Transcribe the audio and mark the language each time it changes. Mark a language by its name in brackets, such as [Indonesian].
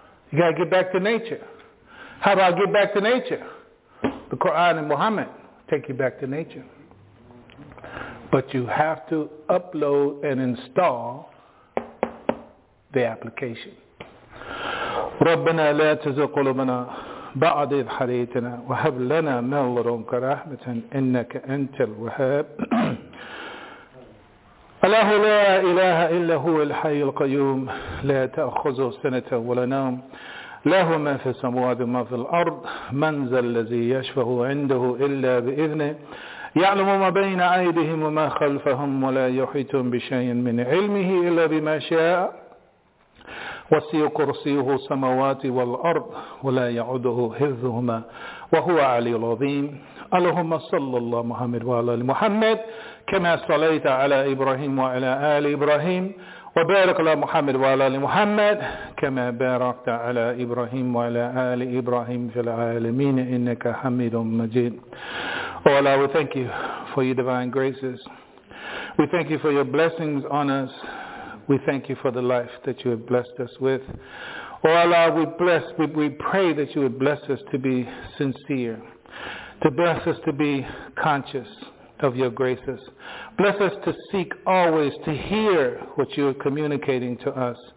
[English] You got to get back to nature. How do I get back to nature? The Quran and Muhammad take you back to nature. But you have to upload and install the application. [Arabic] ربنا لا تزغ قلوبنا بعد إذ هديتنا وهب لنا من لدنك رحمة إنك أنت الوهاب الله لا إله إلا هو الحي القيوم لا تأخذه سنة ولا نوم له ما في السماوات وما في الأرض من ذا الذي يشفع عنده إلا بإذنه يعلم ما بين أيديهم وما خلفهم ولا يحيطون بشيء من علمه إلا بما شاء وسيع كرسيه السماوات والأرض ولا يعوده حفظهما وهو العلي العظيم اللهم صل الله محمد وعلى محمد كما صليت على إبراهيم وعلى آل إبراهيم وبارك على محمد وعلى محمد كما باركت على إبراهيم وعلى آل إبراهيم في العالمين إنك حميد مجيد [English] Oh Allah, we thank you for your divine graces. We thank you for your blessings on us. We thank you for the life that you have blessed us with. Oh Allah, we pray that you would bless us to be sincere, to bless us to be conscious of your graces. Bless us to seek always to hear what you are communicating to us.